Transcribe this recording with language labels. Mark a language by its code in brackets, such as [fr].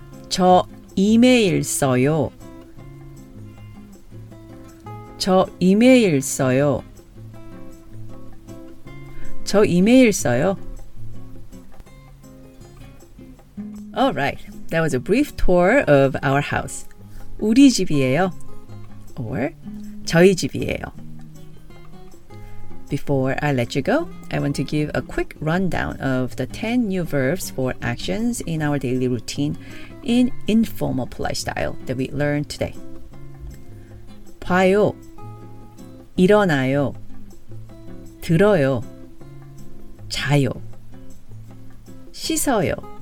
[ko] 저 이메일 써요. 저 이메일 써요. 저 이메일 써요. [en] All right, that was a brief tour of our house. [ko] 우리 집이에요. Or 저희 집이에요. [en] Before I let you go, I want to give a quick rundown of the 10 new verbs for actions in our daily routine in informal polite style that we learned today. [ko] 봐요, 일어나요, 들어요, 자요, 씻어요,